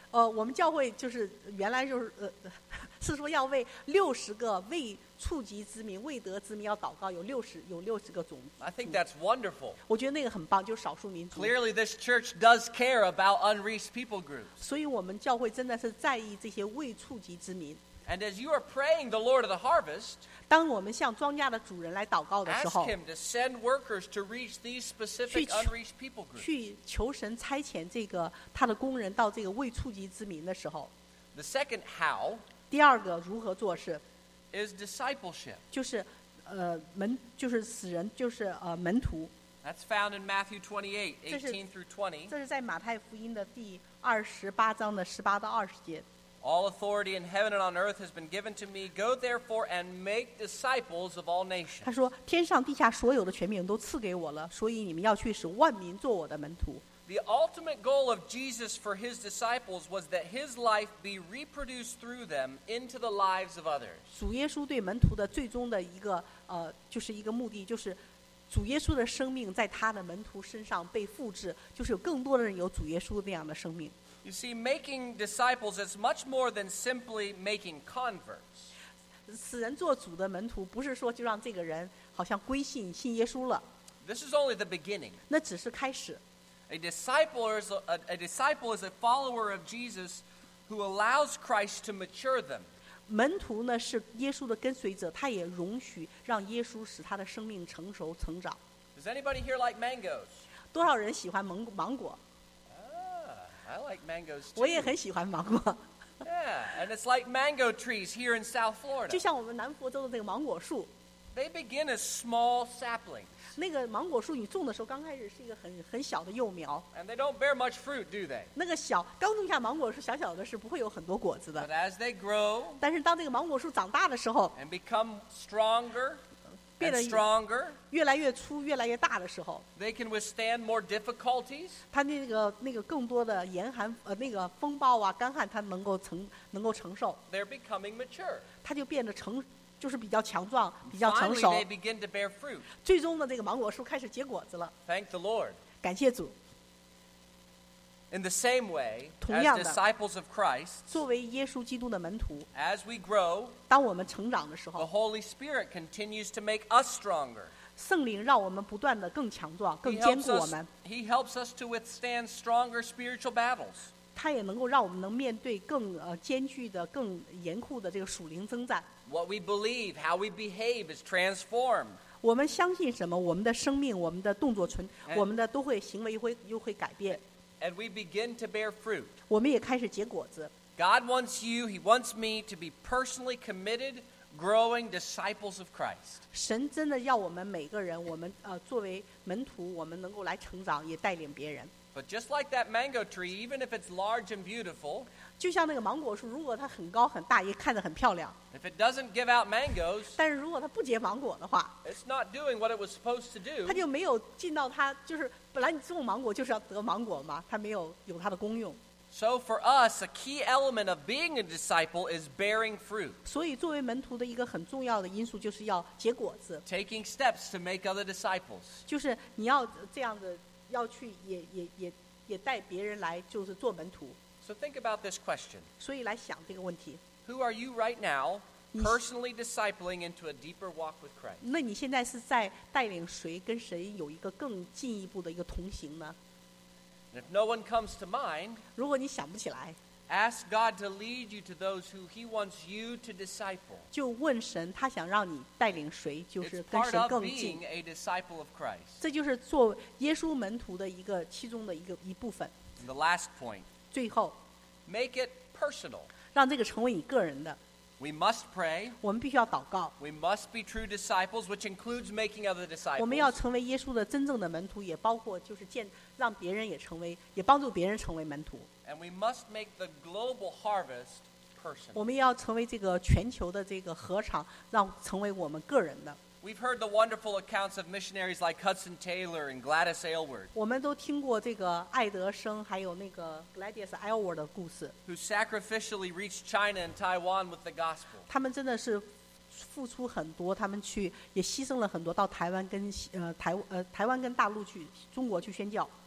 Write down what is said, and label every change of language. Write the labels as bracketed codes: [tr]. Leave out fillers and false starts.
[zh] 我们教会就是原来就是是说要为六十个未触及之民、未得之民要祷告，有六十个种。 [en] I think that's wonderful. [zh] 我觉得那个很棒，就是少数民族。 [en] Clearly, this church does care about unreached people groups. [zh] 所以我们教会真的是在意这些未触及之民。 [en] And as you are praying the Lord of the harvest, [zh] 当我们向庄稼的主人来祷告的时候 [en] ，ask him to send workers to reach these specific unreached people groups. [zh] 去求神差遣这个他的工人到这个未触及之民的时候 [en] ，the second how. [zh] 第二个如何做事 [en] ，is discipleship. [zh] 就是门就是使人就是门徒。 [en] That's found in Matthew 28:18-20. [zh] 这是在马太福音的第二十八章的十八到二十节。 [en] All authority in heaven and on earth has been given to me. Go therefore and make disciples of all nations. [zh] 他说，天上地下所有的权柄都赐给我了，所以你们要去使万民做我的门徒。 [en] The ultimate goal of Jesus for his disciples was that his life be reproduced through them into the lives of others. [zh] 主耶稣对门徒的最终的一个就是一个目的，就是主耶稣的生命在他的门徒身上被复制，就是有更多的人有主耶稣那样的生命。 [en] You see, making disciples is much more than simply making converts. [zh] 使人做主的门徒，不是说就让这个人好像归信信耶稣了。 [en] This is only the beginning. [zh] 那只是开始。 [en] A disciple is a follower of Jesus who allows Christ to mature them. [zh] 门徒呢是耶稣的跟随者，他也容许让耶稣使他的生命成熟成长。 [en] Does anybody here like mangoes? [zh] 多少人喜欢芒果？ [en] I like mangoes too. [zh] 我也很喜欢芒果。 [en] Yeah, and it's like mango trees here in South Florida. [zh] 就像我们南佛州的那个芒果树。 [en] They begin as small saplings. [zh] 那个芒果树你种的时候，刚开始是一个很小的幼苗。 [en] And they don't bear much fruit, do they? [zh] 那个小刚种下芒果树，小小的是不会有很多果子的。 [en] But as they grow, [zh] 但是当这个芒果树长大的时候 [en] ，and become stronger, and stronger, [zh] 越来越粗越来越大的时候 [en] ，they can withstand more difficulties. [zh] 它那个更多的严寒那个风暴啊干旱，它能够承受。 [en] They're becoming mature. [zh] 它就变得成。就是比较强壮比较成熟最终的这个芒果树开始结果子了 [en] Thank the Lord. [zh] 感谢主 [en] In the same way, [zh] 同样的 [en] as disciples of Christ, [zh] 作为耶稣基督的门徒 [en] as we grow, [zh] 当我们成长的时候 [en] the Holy Spirit continues to make us stronger. [zh] 圣灵让我们不断的更强壮更坚固我们 [en] He helps us to withstand stronger spiritual battles. [zh] 他也能够让我们能面对更艰巨的更严酷的这个属灵征战 [en] What we believe, how we behave is transformed. [zh] 我们相信什么，我们的生命，我们的动作存，我们的都会行为又会改变。 [en] And we begin to bear fruit. [zh] 我们也开始结果子。 [en] God wants you, He wants me to be personally committed, growing disciples of Christ. [zh] 神真的要我们每个人，我们作为门徒，我们能够来成长，也带领别人。 [en] But just like that mango tree, even if it's large and beautiful, [zh] 就像那个芒果树，如果它很高很大，也看着很漂亮。 [en] If it doesn't give out mangoes, [zh] 但是如果它不结芒果的话， [en] it's not doing what it was supposed to do. [zh] 它就没有尽到它，就是本来你种芒果就是要得芒果嘛，它没有有它的功用。 [en] So for us, a key element of being a disciple is bearing fruit. [zh] 所以作为门徒的一个很重要的因素就是要结果子。 [en] Taking steps to make other disciples. [zh] 就是你要这样的，要去也带别人来，就是做门徒。 [en] So think about this question. [zh] 所以来想这个问题。 [en] Who are you right now, personally discipling into a deeper walk with Christ? [zh] 那你现在是在带领谁跟谁有一个更进一步的一个同行呢？ [en] If no one comes to mind, [zh] 如果你想不起来, [en] ask God to lead you to those who He wants you to disciple. [zh] 就问神他想让你带领谁, 就是跟谁更近。 [en] It's part of being a disciple of Christ. [zh] 这就是做耶稣门徒的一个其中的一个一部分。 [en] And the last point, [zh] 最后, [en] make it personal. [zh] 让这个成为你个人的。 [en] We must pray. [zh] 我们必须要祷告。 [en] We must be true disciples, which includes making other disciples. [zh] 我们要成为耶稣的真正的门徒，也包括就是建让别人也成为，也帮助别人成为门徒。 [en] And we must make the global harvest personal. [zh] 我们要成为这个全球的这个禾场，让成为我们个人的。 [en] We've heard the wonderful accounts of missionaries like Hudson Taylor and Gladys Aylward. [zh] 我们都听过这个艾德生还有那个 Gladys Aylward 的故事。 [en] Who sacrificially reached China and Taiwan with the gospel. [zh] 他们真的是付出很多，他们去也牺牲了很多，到台湾跟台湾跟大陆去中国去宣教。